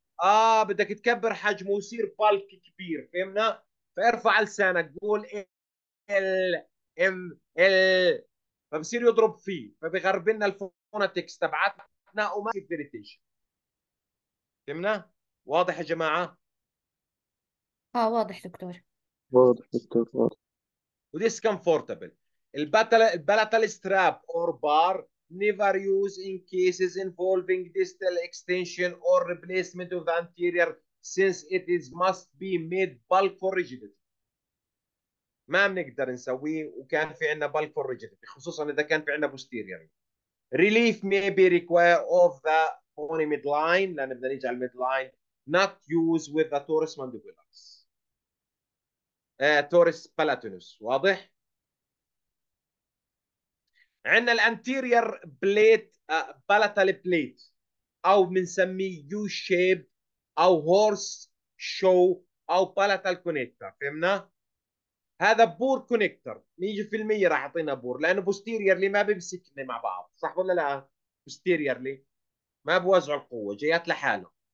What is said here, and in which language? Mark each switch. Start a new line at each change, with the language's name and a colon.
Arabic: اه بدك تكبر حجمه ويصير بالك كبير، فهمنا؟ فارفع لسانك قول ال ام ال، فبصير يضرب فيه فبغرب لنا الفونتكس تبعتنا وما يقدر يتيجي، فهمنا؟ واضح يا جماعه؟ اه واضح دكتور. واضح دكتور واضح.
English: وديس كومفورتبل البلاتال strap or bar never use in cases involving distal extension or replacement of anterior since it is must be made bulk for rigidity.
Arabic: ما بنقدر نسويه وكان في عندنا
English: bulk for rigidity،
Arabic: خصوصا اذا كان في عندنا posterior.
English: relief may be required of the bony midline،
Arabic: لان بدنا نيجي على
English: midline، not use with the torus mandibulus. torus palatinus،
Arabic: واضح؟ عندنا
English: الانتيرير plate palatal plate,
Arabic: او بنسميه يو شيب او هورس شو او بالاتال كونكتر، فهمنا؟ هذا بور كونكتر، 100% راح يعطينا بور لانه بوستيريرلي ما بيمسكنا مع بعض، صح ولا لا؟ بوستيريرلي ما بوزع القوه، جايات لحاله.